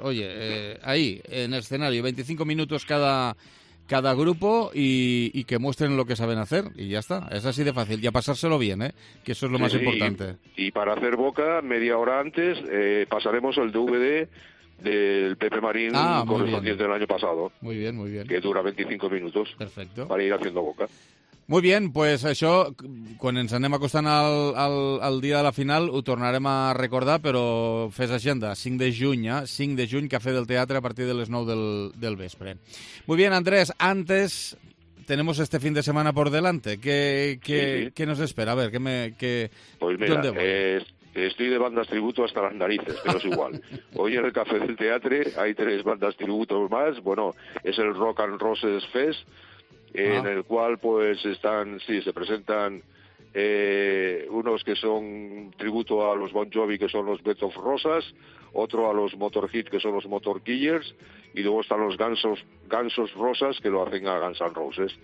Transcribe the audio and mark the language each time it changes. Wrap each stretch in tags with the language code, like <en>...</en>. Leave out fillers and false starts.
<es>Oye, ahí, en el escenario, 25 minutos cada grupo y que muestren lo que saben hacer y ya está. Es así de fácil. Y a pasárselo bien, que eso es lo más importante. Y para hacer boca, media hora antes, pasaremos el DVD del Pepe Marín correspondiente del año pasado. Muy bien, muy bien. Que dura 25 minutos. Perfecto. Para ir haciendo boca. Muy bien, pues</es> <ca>això, quan ens anem acostant al dia de la final, ho tornarem a recordar, però fes agenda, 5 de juny, 5 de juny, Café del Teatre, a partir de les 9 del vespre.</ca> <es>Muy bien, Andrés, antes tenemos este fin de semana por delante. ¿Qué nos espera? A ver, Pues mira, Estoy de bandas tributo hasta las narices, pero es igual. Hoy en el Café del Teatre hay tres bandas tributo más. Bueno, es el Rock and Roses Fest, en el cual pues están, sí, se presentan unos que son tributo a los Bon Jovi, que son los Bed of Roses, otro a los Motorhead, que son los Motor Killers, y luego están los Gansos Rosas, que lo hacen a Guns N' Roses.</es>